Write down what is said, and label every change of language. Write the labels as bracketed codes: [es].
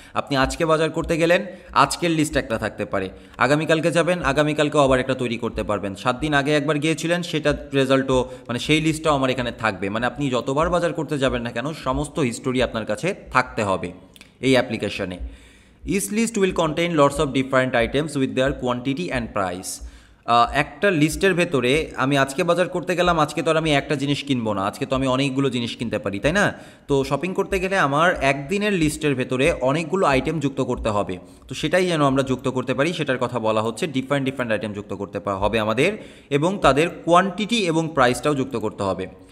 [bn] আপনি আজকে বাজার করতে গেলেন, আজকের লিস্ট একটা থাকতে পারে, আগামীকালকে যাবেন, আগামীকালকেও আবার একটা তৈরি করতে পারবেন, সাত দিন আগে একবার গিয়েছিলেন সেটা রেজাল্টও, মানে সেই লিস্টটাও আমার এখানে থাকবে, মানে আপনি যতবার বাজার করতে যাবেন না কেন সমস্ত হিস্টোরি আপনার কাছে থাকতে হবে এই অ্যাপ্লিকেশনে। [en] This list will contain lots of different items with their quantity and price. [bn] একটা লিস্টের ভেতরে আমি আজকে বাজার করতে গেলাম, আজকে তো আর আমি একটা জিনিস কিনবো না, আজকে তো আমি অনেকগুলো জিনিস কিনতে পারি, তাই না? তো শপিং করতে গেলে আমার একদিনের লিস্টের ভেতরে অনেকগুলো আইটেম যুক্ত করতে হবে, তো সেটাই যেন আমরা যুক্ত করতে পারি সেটার কথা বলা হচ্ছে। ডিফারেন্ট ডিফারেন্ট আইটেম যুক্ত করতে হবে আমাদের এবং তাদের কোয়ান্টিটি এবং প্রাইসটাও যুক্ত করতে হবে।